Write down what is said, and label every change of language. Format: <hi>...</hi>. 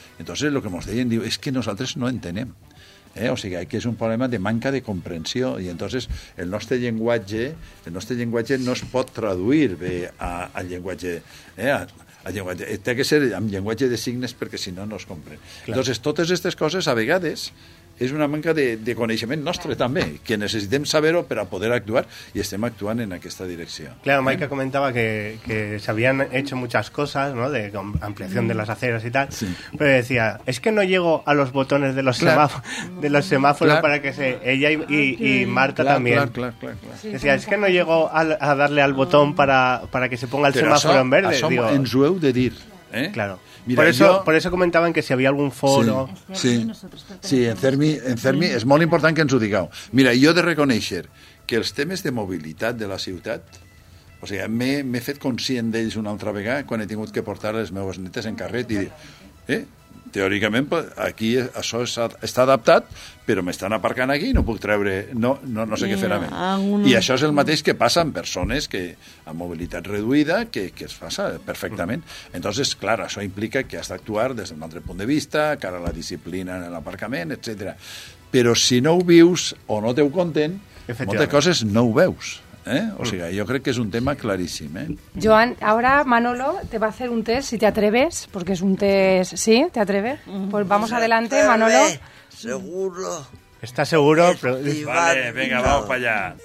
<ca>Entonces, el que mos deien, diu, és que nosaltres no entenem. O sigui, aquí és un problema de manca de comprensió i entonces el nostre llenguatge no es pot traduir bé al llenguatge... Té que ser amb llenguatge de signes perquè si no, no es compren. Entonces, totes aquestes coses, a vegades, és una manca de coneixement nostre, també, que necessitem saber-ho per a poder actuar i estem actuant en aquesta direcció.</ca> <es>Claro, Maika</es> <ca>comentava que s'havien</ca> <es>hecho muchas cosas, ¿no?, de ampliación de las aceras y tal, sí. Pero decía, es que no llego a los botones de los semáforos para que se... Ella y Marta también. Claro. Decía, es que no llego a darle al botón para que se ponga el semáforo en verde. Pero eso en su de dir. Claro. Mira, por eso comentaban que si había algún foro...</es> <ca>Sí, en Fermi és molt important que ens ho digueu. Mira, jo he de reconèixer que els temes de mobilitat de la ciutat, o sigui, m'he fet conscient d'ells una altra vegada quan he tingut que portar les meves netes en carret i dir, teòricament aquí això està adaptat, però m'estan aparcant aquí i no puc treure... No sé què fer a mi. I això és el mateix que passa amb persones que amb mobilitat reduïda, que es passa perfectament. Entonces, clar, això implica que has d'actuar des d'un altre punt de vista, cara a la disciplina en l'aparcament, etc. Però si no ho vius o no t'ho content, moltes coses no ho veus.</ca> <es>O sea, yo creo que es un tema clarísimo. Joan, ahora Manolo te va a hacer un test, si te atreves, porque es un test... ¿Sí? ¿Te atreves? Pues vamos adelante, Manolo. Seguro. ¿Estás seguro? Vale, venga, vamos para allá.</es>